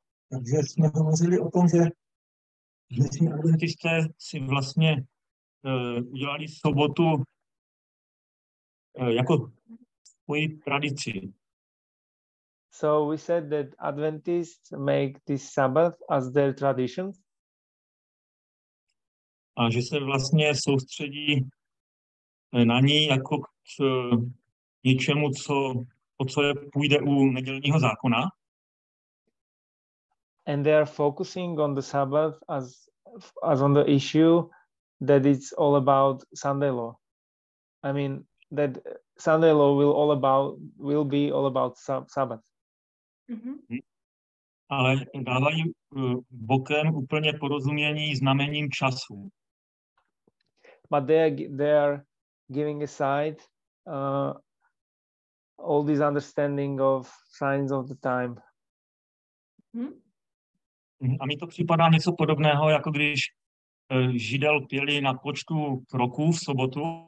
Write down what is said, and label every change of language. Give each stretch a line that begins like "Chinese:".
Czech: Takže jsme hovořili o tom, že jsme adventisté si vlastně udělali sobotu jako svoji tradici.
English: So we said that Adventists make this Sabbath as their tradition. A že se vlastně soustředí na ní jako k něčemu, o co je půjde u nedělního zákona. And they are focusing on the Sabbath as on the issue that it's all about Sunday law. I mean that Sunday law will be all about Sabbath. Mm-hmm.
Czech: Ale dávají bokem úplně porozumění znamením času.
English: But they are giving aside all this understanding of signs of the time.
Czech: A mi to připadá něco podobného, jako když Židel pěli na počtu kroků v sobotu.